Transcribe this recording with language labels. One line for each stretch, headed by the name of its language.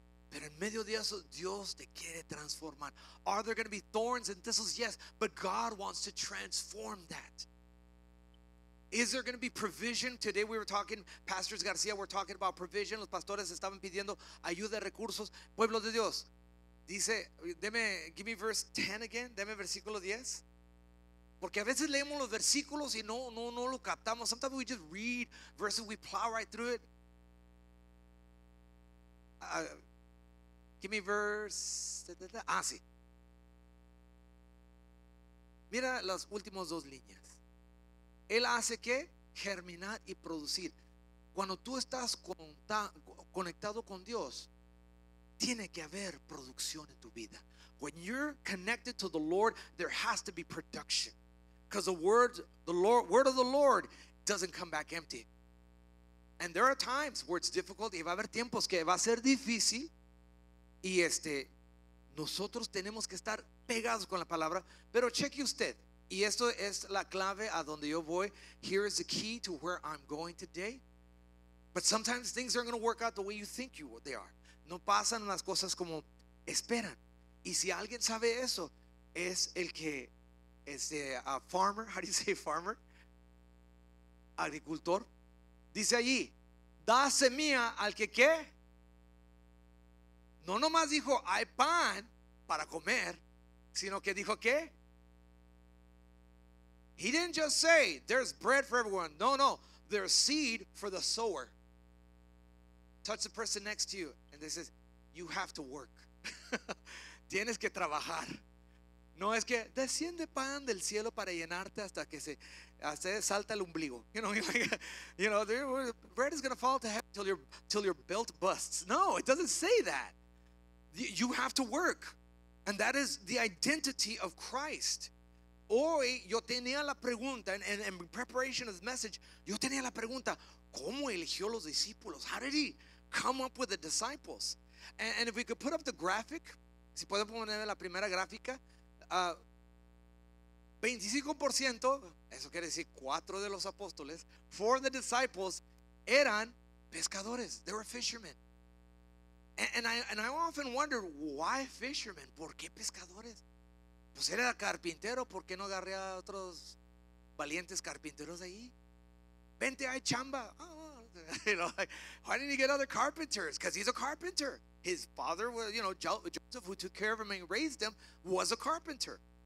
Spanish: Pero en medio de eso, Dios te quiere transformar.
English: Are there going to be thorns and thistles? Yes. But God wants to transform that. Is there going to be provision? Today we were talking, Pastors Garcia, we're talking about provision.
Spanish: Los pastores estaban pidiendo ayuda, recursos. Pueblo de Dios. Dice, deme,
English: give me verse 10 again.
Spanish: Deme versículo 10. Porque a veces leemos los versículos y no lo captamos.
English: Sometimes we just read verses, we plow right through it. Give me verse. Sí.
Spanish: Mira las últimas dos líneas. Él hace que germinar y producir. Cuando tú estás conectado con Dios, tiene que haber producción en tu vida.
English: When you're connected to the Lord, there has to be production. Because the word of the Lord doesn't come back empty. And there are times where it's difficult.
Spanish: Y va a haber tiempos que va a ser difícil. Y nosotros tenemos que estar pegados con la palabra. Pero cheque usted. Y esto es la clave a donde yo voy.
English: Here is the key to where I'm going today. But sometimes things aren't going to work out the way you think they are.
Spanish: No pasan las cosas como esperan. Y si alguien sabe eso, es el que
English: a farmer. How do you say farmer? Agricultor.
Spanish: Dice allí, da semilla al que qué. No nomás dijo hay pan para comer, sino que dijo qué.
English: He didn't just say there's bread for everyone. No, no, there's seed for the sower. Touch the person next to you and they say, you have to work.
Spanish: Tienes que trabajar. No es que desciende pan del cielo para llenarte hasta que se hace salta el ombligo.
English: You know, bread is going to fall to heaven till your belt busts. No, it doesn't say that. You have to work. And that is the identity of Christ.
Spanish: Hoy yo tenía la pregunta,
English: in preparation of the message,
Spanish: yo tenía la pregunta, ¿cómo eligió los discípulos?
English: How did he come up with the disciples? And if we could put up the graphic,
Spanish: si pueden poner la primera gráfica, 25%, eso quiere decir cuatro de los apóstoles,
English: four of the disciples
Spanish: eran pescadores,
English: they were fishermen. And I often wondered, why fishermen?
Spanish: ¿Por qué pescadores? Pues era carpintero, ¿por qué no agarré a otros valientes carpinteros de ahí? Vente, hay chamba.
English: Oh, you know, like, why didn't he get other carpenters? Because he's a carpenter. His father, you know, Joseph, who took care of him and raised him, was a carpenter.